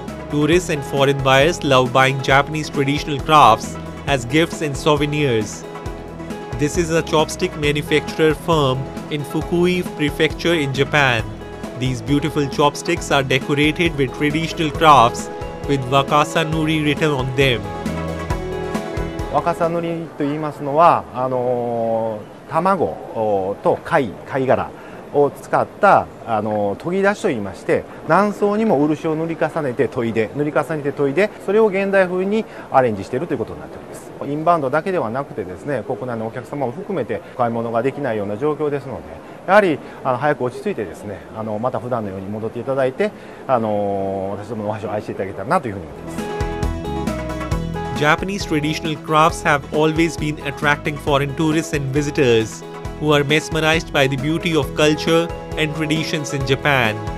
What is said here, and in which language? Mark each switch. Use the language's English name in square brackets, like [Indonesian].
[English] Tourists and foreign buyers love buying Japanese traditional crafts as gifts and souvenirs. This is a chopstick manufacturer firm in Fukui Prefecture in Japan. These beautiful chopsticks are decorated with traditional crafts with wakasanuri written on them. [Japanese] Wakasanuri といいますのは、 卵と貝殻を使った研ぎ出しといいまして、何層にも漆を塗り重ねて研いで塗り重ねて研いで、それを現代風にアレンジしているということになっております。インバウンドだけではなくてですね、国内のお客様を含めて買い物ができないような状況ですので、やはり早く落ち着いてですね、また普段のように戻っていただいて、私どもの和紙を愛していただけたらなというふうに思います。 [English] Japanese traditional crafts have always been attracting foreign tourists and visitors who are mesmerized by the beauty of culture and traditions in Japan.